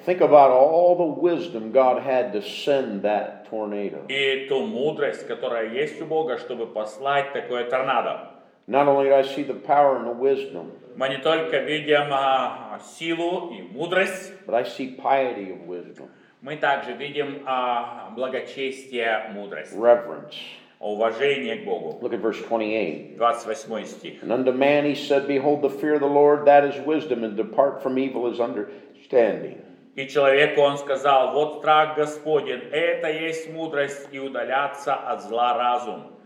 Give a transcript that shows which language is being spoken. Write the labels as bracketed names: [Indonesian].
[English] Think about all the wisdom God had to send that tornado. [Russian] И ту мудрость, которая есть у Бога, чтобы послать такое торнадо. [English] Not only do I see the power and the wisdom. [Russian] Мы не только видим силу и мудрость. [English] But I see piety of wisdom. [Russian] Мы также видим благочестие, мудрость. [English] Reverence. [Russian] Уважение к Богу. [English] Look at verse 28. [Russian] 28 стих. [English] And unto man he said, behold, the fear of the Lord, that is wisdom, and depart from evil is understanding. [Russian] И человеку он сказал, вот страх Господень, это есть мудрость, и удаляться от зла разум.